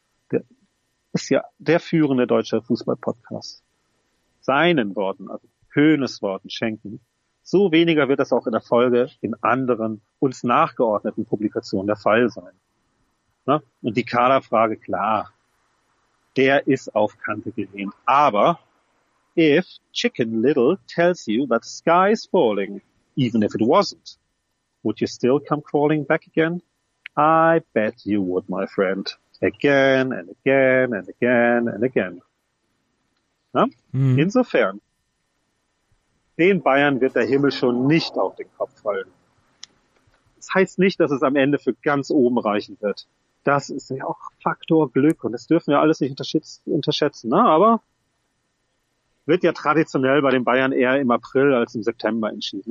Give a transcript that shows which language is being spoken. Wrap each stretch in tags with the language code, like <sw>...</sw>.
<de>Der ist ja der führende deutsche Fußballpodcast. Seinen Worten, also Hoeneß Worten schenken. So weniger wird das auch in der Folge in anderen uns nachgeordneten Publikationen der Fall sein. Ne? Und die Kaderfrage, klar, der ist auf Kante gelehnt.</de> <en>Aber if Chicken Little tells you that the sky is falling, even if it wasn't, would you still come crawling back again? I bet you would, my friend. Again and again and again and again.</en> <de>Ja? Hm. Insofern, den Bayern wird der Himmel schon nicht auf den Kopf fallen. Das heißt nicht, dass es am Ende für ganz oben reichen wird. Das ist ja auch Faktor Glück und das dürfen wir alles nicht unterschätzen. Ne? Aber wird ja traditionell bei den Bayern eher im April als im September entschieden.</de>